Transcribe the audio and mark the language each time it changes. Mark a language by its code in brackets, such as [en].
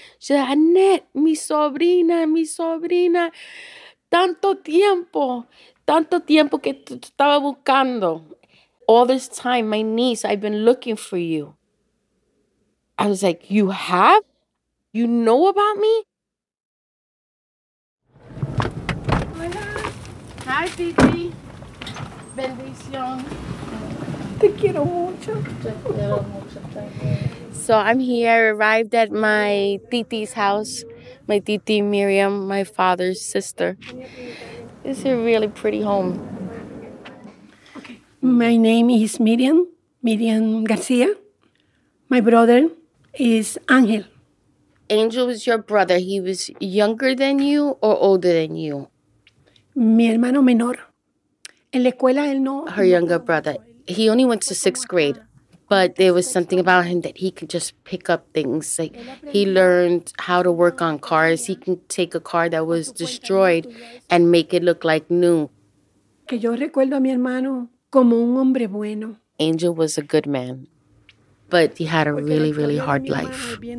[en] She said, [es] Annette, mi sobrina, tanto tiempo que tu estaba buscando. [en] All this time, my niece, I've been looking for you. I was like, you have? You know about me? [es] Hola. Hi, Titi. Bendición. Te quiero mucho. [en] So I'm here. I arrived at my titi's house, my titi Miriam, my father's sister. This is a really pretty home. My name is Miriam Garcia. My brother is Angel. Angel was your brother. He was younger than you or older than you? [es] Mi hermano menor. En la escuela él no. [en] Her younger brother. He only went to sixth grade. But there was something about him that he could just pick up things. Like, he learned how to work on cars. He can take a car that was destroyed and make it look like new. [es] Que yo recuerdo a mi hermano como un hombre bueno. [en] Angel was a good man, but he had a really, really hard life.